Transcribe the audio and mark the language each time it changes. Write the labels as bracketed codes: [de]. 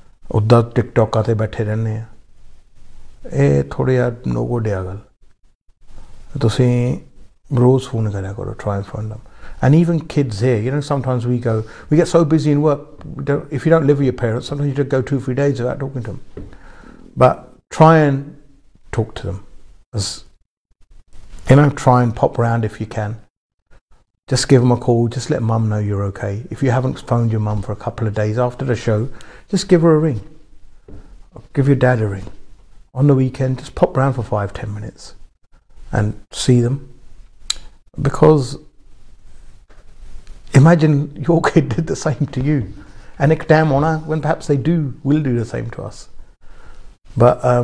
[pa] ਉੱਦਾਂ ਟਿਕਟੋਕਾਂ 'ਤੇ ਬੈਠੇ ਰਹਿੰਦੇ ਆ ਇਹ ਥੋੜ੍ਹਾ ਜਿਹਾ ਨੋ ਗੁੱਡ ਆ ਗੱਲ ਤੁਸੀਂ ਰੋਜ਼ ਫੋਨ ਕਰਿਆ ਕਰੋ try phone [en] And even kids here, you know, sometimes we go, we get so busy in work, if you don't live with your parents, sometimes you just go 2-3 days without talking to them. But try and talk to them. As, you know, try and pop around if you can. Just give them a call, just let mum know you're okay. If you haven't phoned your mum for a couple of days after the show, just give her a ring. Or give your dad a ring. On the weekend, just pop around for 5-10 minutes and see them. Because imagine your kid did the same to you and ek time ona when perhaps they do will do the same to us but